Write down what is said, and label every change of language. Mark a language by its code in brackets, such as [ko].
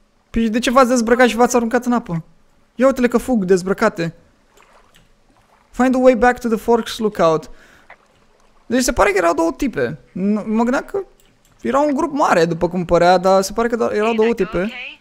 [ro] Păi de ce v-ați dezbrăcat și v-ați aruncat în apă? Ia uite-le că fug dezbrăcate. [en] Find a way back to the Forks lookout. [ro] Deci se pare că erau două tipe. Mă gândeam că era un grup mare, după cum părea, dar se pare că erau două tipe.